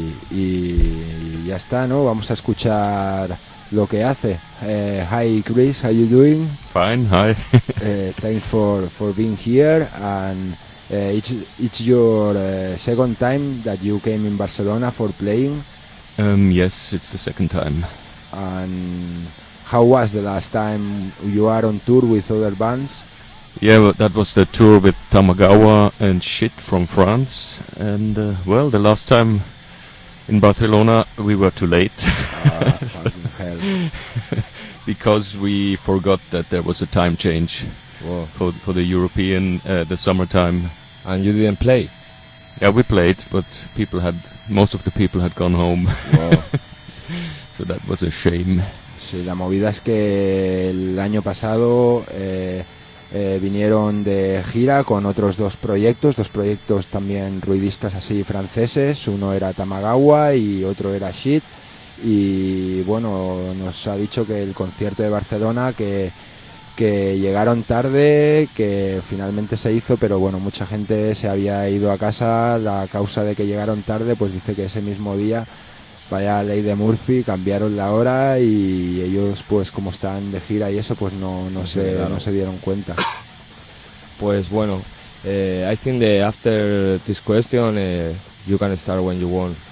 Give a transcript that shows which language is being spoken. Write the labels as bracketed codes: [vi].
[es] Y ya está, ¿no? Vamos a escuchar lo que hace. [en] Hi Chris, how you doing? Fine, hi. thanks for being here, and it's your second time that you came in Barcelona for playing. Yes, it's the second time. And how was the last time you are on tour with other bands? Yeah, well, that was the tour with Tamagawa and Shit from France. And, well, the last time in Barcelona, we were too late. fucking hell. Because we forgot that there was a time change. Whoa. for the European, the summertime. And you didn't play? Yeah, we played, but most of the people had gone home. So that was a shame. [es] Sí, la movida es que el año pasado... vinieron de gira con otros dos proyectos también ruidistas así franceses. Uno era Tamagawa y otro era Shit. Y bueno, nos ha dicho que el concierto de Barcelona, que llegaron tarde, que finalmente se hizo, pero bueno, mucha gente se había ido a casa. La causa de que llegaron tarde, pues dice que ese mismo día, vaya ley de Murphy, cambiaron la hora y ellos, pues como están de gira y eso, pues no se dieron cuenta. Pues bueno, [en] I think that after this question, you can start when you want.